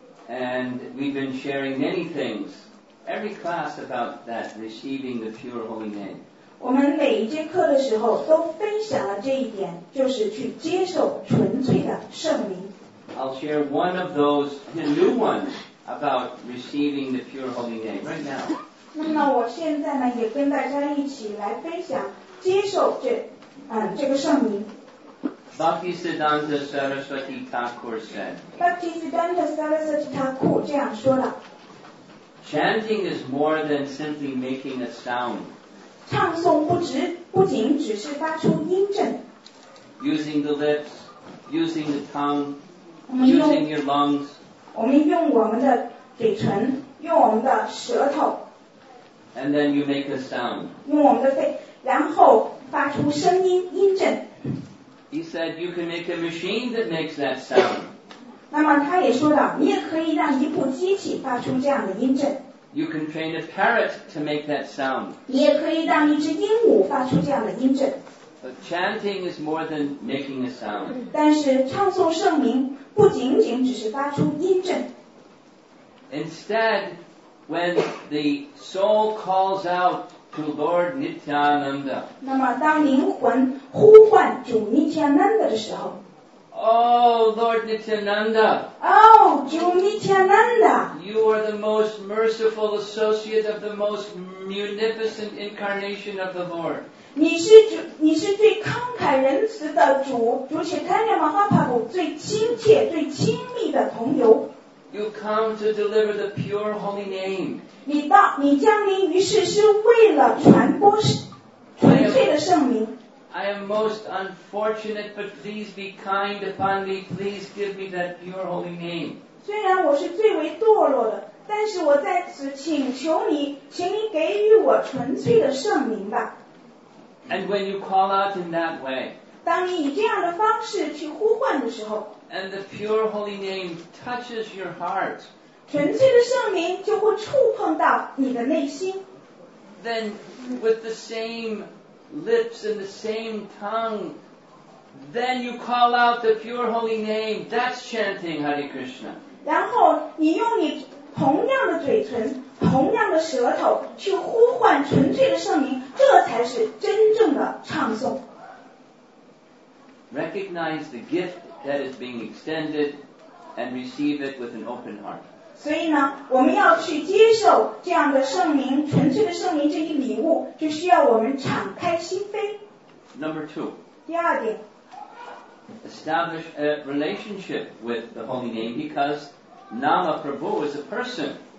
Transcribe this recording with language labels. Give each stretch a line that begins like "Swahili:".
English: And we've been sharing many things, every class about that receiving the pure holy name.
Chinese: 我们每一节课的时候都分享了这一点，就是去接受纯粹的圣灵。
English: I'll share one of those, the new ones, about receiving the pure holy name right now.
Chinese: 那么我现在呢，也跟大家一起来分享接受这，嗯，这个圣灵。
English: Bhaktisiddhanta Saraswati Thakur said,
Chinese: Bhaktisiddhanta Saraswati Thakur 这样说了
English: Chanting is more than simply making a sound.
Chinese: 唱诵不仅只是发出音振
English: Using the lips, using the tongue, using your lungs.
Chinese: 我们用我们的嘴唇，用我们的舌头
English: And then you make a sound.
Chinese: 用我们的肺，然后发出声音，音振
English: He said, you can make a machine that makes that sound.
Chinese: 那么他也说到，你也可以让一部机器发出这样的音振。
English: You can train a parrot to make that sound.
Chinese: 你也可以让一只鹦鹉发出这样的音振。
English: But chanting is more than making a sound.
Chinese: 但是唱诵圣名不仅仅只是发出音振。
English: Instead, when the soul calls out,To Lord Nityananda.
Chinese: 那么当灵魂呼唤主尼提亚南达的时候
English: Oh, Lord Nityananda.
Chinese: Oh, 主尼提亚南达
English: You are the most merciful associate of the most munificent incarnation of the Lord.
Chinese: 你是最慷慨仁慈的主主且堪尼玛哈帕布最亲切最亲密的同游
English: You come to deliver the pure holy name.
Chinese: 你降临于世是为了传播纯粹的圣名。
English: I am most unfortunate, but please be kind upon me. Please give me that pure holy name.
Chinese: 虽然我是最为堕落的，但是我在此请求你，请你给予我纯粹的圣名吧。
English: And when you call out in that way,
Chinese: 当你以这样的方式去呼唤的时候
English: ，and the pure holy name touches your heart.
Chinese: 纯粹的圣名就会触碰到你的内心。
English: Then with the same lips and the same tongue, then you call out the pure holy name. That's chanting Hare Krishna.
Chinese: 然后你用你同样的嘴唇、同样的舌头去呼唤纯粹的圣名，这才是真正的唱诵。
English: Recognize the gift that is being extended and receive it with an open heart.
Chinese: 所以呢，我们要去接受这样的圣名，纯粹的圣名这一礼物，就需要我们敞开心扉。
English: Number two.
Chinese: 第二点。
English: Establish a relationship with the holy name because Nama Prabhu is a person.